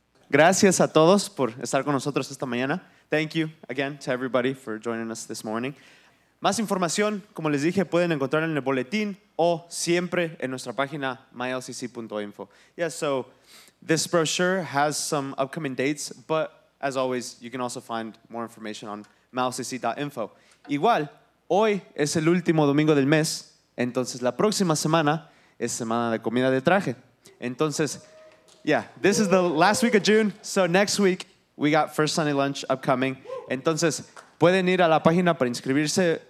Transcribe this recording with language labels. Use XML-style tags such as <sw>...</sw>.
<es>Gracias a todos por estar con nosotros esta mañana.</es> <en>Thank you again to everybody for joining us this morning.</en> <es>Más información, como les dije, pueden encontrar en el boletín o siempre en nuestra página mylcc.info.</es> <en>Yeah, so this brochure has some upcoming dates, but as always, you can also find more information on mylcc.info.</en> <es>Igual, hoy es el último domingo del mes, entonces la próxima semana es semana de comida de traje. Entonces,</es> <en>yeah, this is the last week of June, so next week, we got First Sunday Lunch upcoming.</en> <es>Entonces, pueden ir a la página para inscribirse.</es>